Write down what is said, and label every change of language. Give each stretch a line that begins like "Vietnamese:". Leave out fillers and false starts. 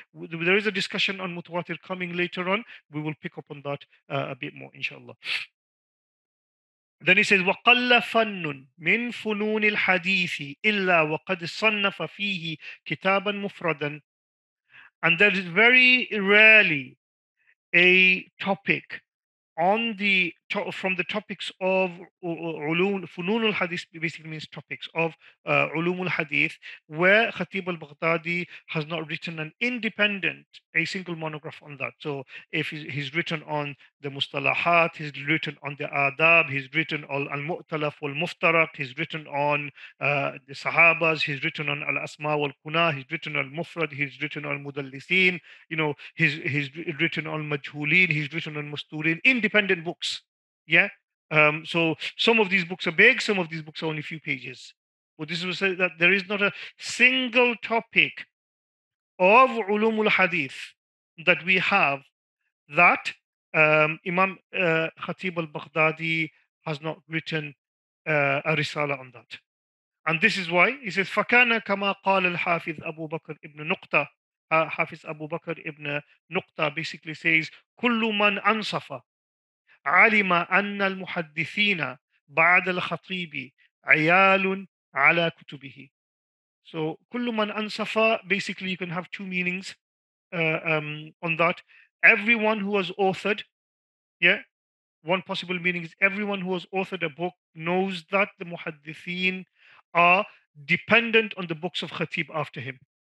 English: There is a discussion on mutawatir coming later on. We will pick up on that a bit more, inshallah. Then he says,
Arabic: وَقَلَّ فَنٌّ مِنْ فُنُونِ الْحَدِيثِ إِلَّا وَقَدْ صَنَّفَ فِيهِ كِتَابًا مُفْرَدًا.
English: And there is very rarely a topic on the from the topics of ulum, funun al-hadith basically means topics of ulum al-hadith, where Khatib al-Baghdadi has not written an independent, a single monograph on that. So if he's written on the mustalahat, he's written on the adab, he's written on al-mu'talaf wal-muftaraq, he's written on the sahabas, he's written on al-asma wal-kuna, he's written on al-mufrad, he's written on mudallisin, you know, he's written on majhulin, he's written on musturin, independent books. Yeah. So some of these books are big, some of these books are only a few pages. But this is that there is not a single topic of ulum al-hadith that we have that Imam Khatib al-Baghdadi has not written a risala on that. And this is why he says,
Arabic: فَكَانَ كَمَا قَالَ الْحَافِظ أَبُو بَكْر إِبْنُ نُقْتَى. Hafiz Abu Bakr ibn Nuqta
English: basically says,
Arabic: كُلُّ مَنْ أَنصَفَ علم أن المحدثين بعد الخطيب عيال على كتبه.
English: So
Arabic: كل من أنصف,
English: basically you can have two meanings on that. Everyone who has authored, yeah, one possible meaning is everyone who has authored a book knows that the محدثين are dependent on the books of Khatib after him.